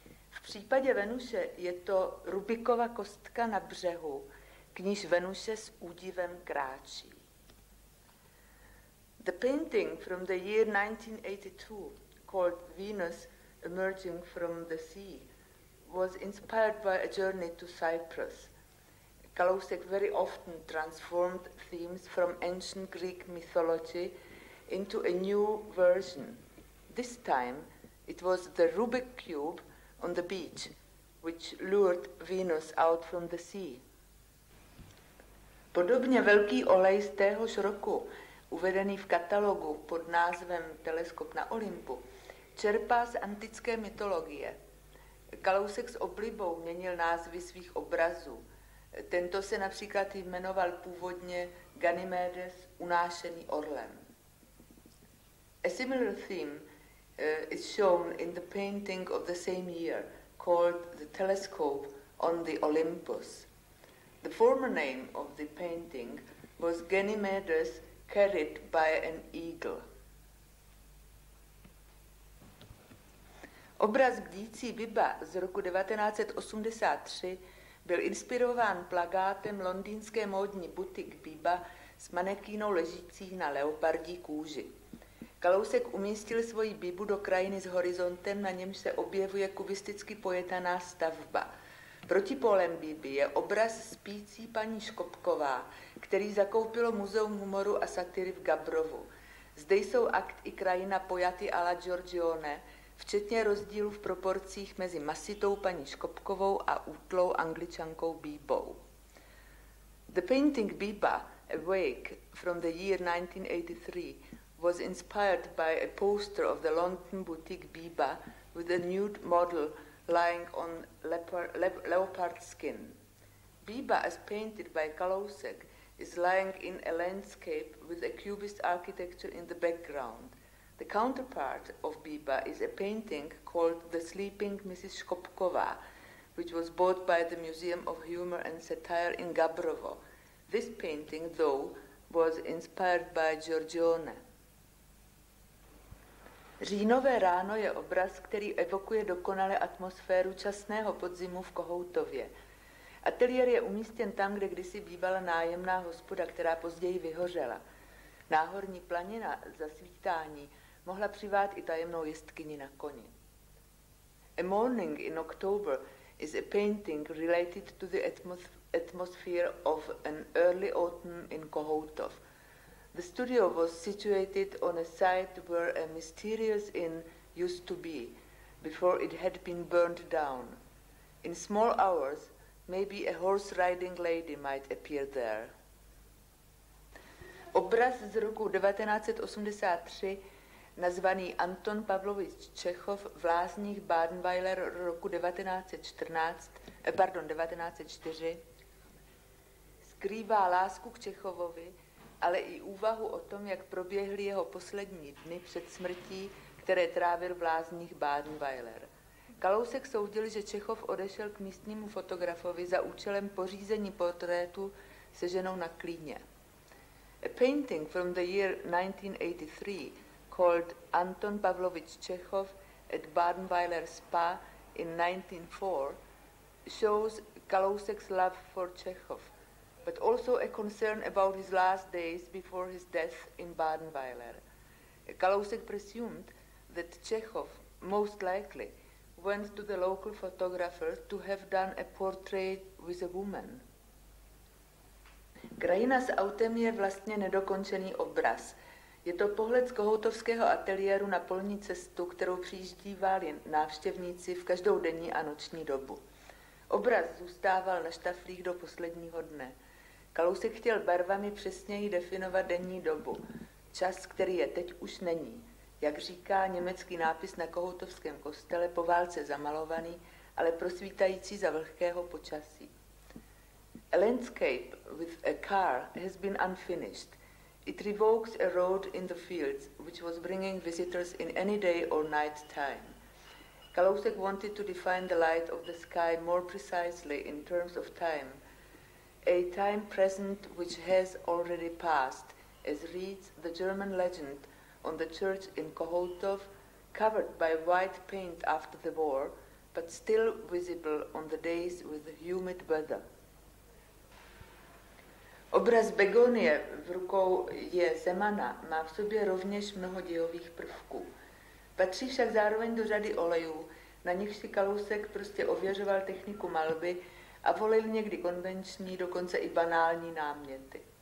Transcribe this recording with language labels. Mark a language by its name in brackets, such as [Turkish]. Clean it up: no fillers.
[Czech] V případě Venuše je to Rubikova kostka na břehu, k níž Venuše s údivem kráčí. [English] The painting from the year 1982, called Venus Emerging from the Sea, was inspired by a journey to Cyprus. Kalousek very often transformed themes from ancient Greek mythology into a new version. This time, it was the Rubik cube on the beach, which lured Venus out from the sea. [Czech] Podobně velký olej z téhož roku, uvedený v katalogu pod názvem Teleskop na Olympu, čerpá z antické mytologie. Kalousek s oblibou měnil názvy svých obrazů. Tento se například jmenoval původně Ganymedes, unášený orlem. [English] A similar theme is shown in the painting of the same year, called The Telescope on the Olympus. The former name of the painting was Ganymedes carried by an eagle. [Czech] Obraz Bdící Biba z roku 1983 byl inspirován plakátem londýnské módní butik Biba s manekínou ležící na leopardí kůži. Kalousek umístil svoji Bibu do krajiny s horizontem, na němž se objevuje kubisticky pojetaná stavba. Proti polem Biby je obraz spící paní Škopková, který zakoupilo Muzeum humoru a satiry v Gabrovu. Zde jsou akt i krajina pojaty a la Giorgione, včetně rozdílu v proporcích mezi masitou paní Škopkovou a útlou angličankou Bibou. [English] The painting Biba, Awake, from the year 1983, was inspired by a poster of the London boutique Biba with a nude model lying on leopard skin. Biba, as painted by Kalousek, is lying in a landscape with a cubist architecture in the background. The counterpart of Biba is a painting called The Sleeping Mrs. Škopková, which was bought by the Museum of Humor and Satire in Gabrovo. This painting, though, was inspired by Giorgione. [Czech] Říjnové ráno je obraz, který evokuje dokonale atmosféru časného podzimu v Kohoutově. Ateliér je umístěn tam, kde kdysi bývala nájemná hospoda, která později vyhořela. Náhorní planina zasvítání mohla přivát i tajemnou jestkyni na koni. [English] A morning in October is a painting related to the atmosphere of an early autumn in Kohoutov. The studio was situated on a site where a mysterious inn used to be, before it had been burned down. In small hours, maybe a horse-riding lady might appear there. [Czech] Obraz z roku 1983, nazvaný Anton Pavlovič Čechov v lázních Badenweiler roku 1904, skrývá lásku k Čechovovi, ale i úvahu o tom, jak proběhly jeho poslední dny před smrtí, které trávil v lázních Badenweiler. Kalousek soudil, že Čechov odešel k místnímu fotografovi za účelem pořízení portrétu se ženou na klíně. [English] A painting from the year 1983 called Anton Pavlovich Chekhov at Badenweiler Spa in 1904 shows Kalousek's love for Chekhov, but also a concern about his last days before his death in Badenweiler. Kalousek presumed that Chekhov most likely went to the local photographer to have done a portrait with a woman. [Czech] Krajina s autem je vlastně nedokončený obraz. Je to pohled z kohoutovského ateliéru na polní cestu, kterou přijíždívali návštěvníci v každou denní a noční dobu. Obraz zůstával na štaflích do posledního dne. Kalousek chtěl barvami přesněji definovat denní dobu. Čas, který je teď, už není, jak říká německý nápis na kohoutovském kostele, po válce zamalovaný, ale prosvítající za vlhkého počasí. [English] A landscape with a car has been unfinished. It revokes a road in the fields, which was bringing visitors in any day or night time. Kalousek wanted to define the light of the sky more precisely in terms of time, a time present which has already passed, as reads the German legend on the church in Kohoutov, covered by white paint after the war, but still visible on the days with humid weather. [Czech] Obraz Begonie v rukou je Zemana má v sobě rovněž mnoho dějových prvků. Patří však zároveň do řady olejů, na nich si Kalousek prostě ověřoval techniku malby a volil někdy konvenční, dokonce i banální náměty.